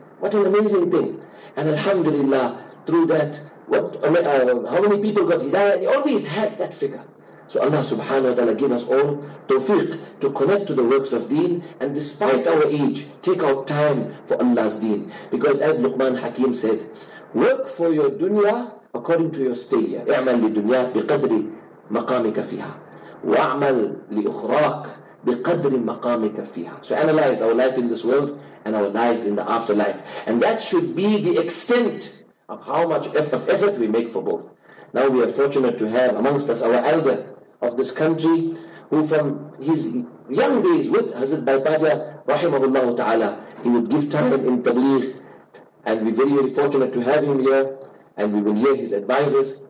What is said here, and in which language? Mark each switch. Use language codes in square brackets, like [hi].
[en] What an amazing thing. And Alhamdulillah, through that, how many people got hidayah? He always had that figure. So Allah subhanahu wa ta'ala give us all tawfiq to connect to the works of deen, and despite our age, take out time for Allah's deen. Because as Luqman Hakim said, work for your dunya according to your stay here. [ar] اعمل لدنيا بقدر مقامك فيها واعمل لأخراك بقدر مقامك فيها. [en] So analyze our life in this world and our life in the afterlife. And that should be the extent of how much of effort we make for both. Now we are fortunate to have amongst us our elder of this country, who from his young days with Hazrat Baipadia, rahimahullah ta'ala, he would give time in tabligh, and we're very, very fortunate to have him here, and we will hear his advices.